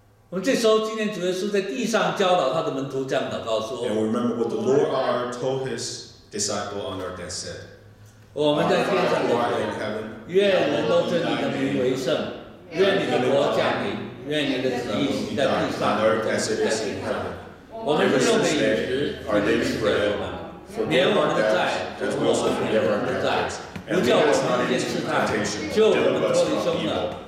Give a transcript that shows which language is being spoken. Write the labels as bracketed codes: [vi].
[zh] 我们这时候纪念主耶稣在地上教导他的门徒这样祷告说。 [en] And we remember what the Lord our told his disciple on our deathbed. [zh] 我们在天上的父，愿人都尊你的名为圣，愿你的国降临，愿你的旨意行在地上，如同在天上。我们日用的饮食，今天赐给我们，免我们的债，如同我们免了人的债，不叫我们跌入试探，救我们脱离凶恶。